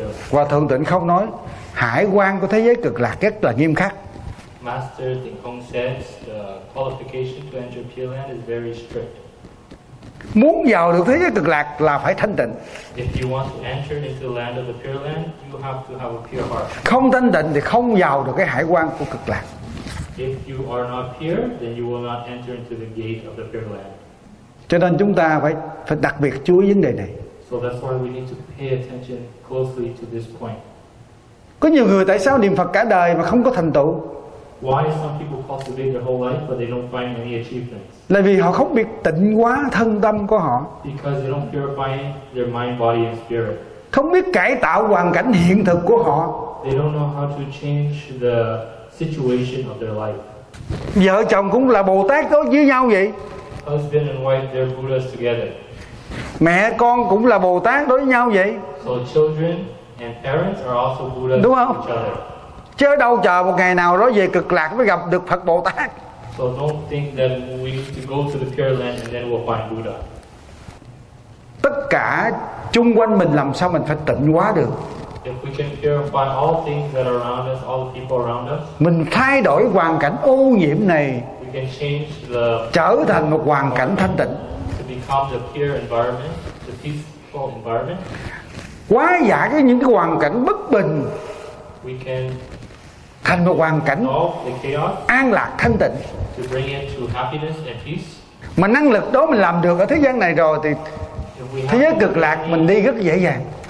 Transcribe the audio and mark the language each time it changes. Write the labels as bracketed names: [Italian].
[Vietnamese] Hòa Thượng Tịnh Không nói hải quan của thế giới cực lạc rất là nghiêm khắc. [English] Master Tịnh Không says the qualification to enter Pure Land is very strict. [Vietnamese] Muốn vào được thế giới cực lạc là phải thanh tịnh. [English] If you want to enter into the land of the pure land, you have to have a pure heart. [Vietnamese] Không thanh tịnh thì không vào được cái hải quan của cực lạc. [English] If you are not pure, then you will not enter into the gate of the pure land. [Vietnamese] Cho nên chúng ta phải đặc biệt chú ý vấn đề này. [English] So that's why we need to pay attention closely to this point. [Vietnamese] Có nhiều người tại sao niệm Phật cả đời mà không có thành tựu? [English] Why some people cultivate their whole life but they don't find any achievements? [Vietnamese] Là vì họ không biết tịnh hóa thân tâm của họ. [English] Because they don't purify their mind, body and spirit. [Vietnamese] Không biết cải tạo hoàn cảnh hiện thực của họ. [English] They don't know how to change the situation of their life. [Vietnamese] Vợ chồng cũng là Bồ Tát đó với nhau vậy. [English] Husband and wife, they're Buddhas together. [Vietnamese] Mẹ con cũng là Bồ Tát đối với nhau vậy. [English] So children and parents are also Buddhas. [Vietnamese] Đúng không? [English] To each other. [Vietnamese] Chứ đâu chờ một ngày nào đó về cực lạc mới gặp được Phật Bồ Tát. [English] So don't think that we need to go to the pure land and then we'll find Buddha. [Vietnamese] Tất cả chung quanh mình làm sao mình phải tịnh hóa được? [English] If we can purify all things that are around us, all the people around us. [Vietnamese] Mình thay đổi hoàn cảnh ô nhiễm này. [English] We can change the [Vietnamese] trở thành một hoàn cảnh thanh tịnh. [English] To become the pure environment, the peaceful environment. [Vietnamese] Hóa giải cái những cái hoàn cảnh bất bình. [English] We can [Vietnamese] thành một hoàn cảnh [English] chaos, [Vietnamese] an lạc thanh tịnh [English] to bring it to happiness and peace. [Vietnamese] Mà năng lực đó mình làm được ở thế gian này rồi thì thế giới cực lạc mình đi rất dễ dàng.